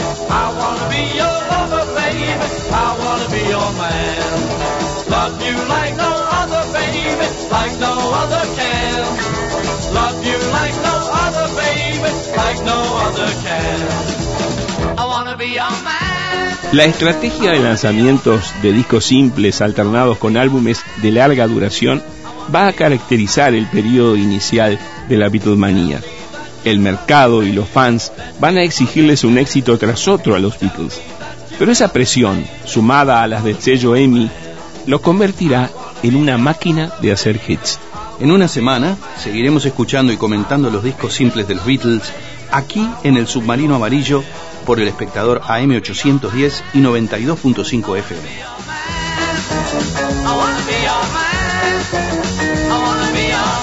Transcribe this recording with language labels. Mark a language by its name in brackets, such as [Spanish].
[English] I wanna be your lover, baby. I wanna be your man. Love you like no other, baby, like no other can. Love you like no other, baby, like no other can. I wanna be your man. [Spanish] La estrategia de lanzamientos de discos simples alternados con álbumes de larga duración va a caracterizar el periodo inicial de la Beatlemanía. El mercado y los fans van a exigirles un éxito tras otro a los Beatles, pero esa presión, sumada a las del sello EMI, los convertirá en una máquina de hacer hits. En una semana seguiremos escuchando y comentando los discos simples de los Beatles aquí en el Submarino Amarillo por El Espectador AM 810 y 92.5 FM. [English] I wanna be your man. I wanna be your man.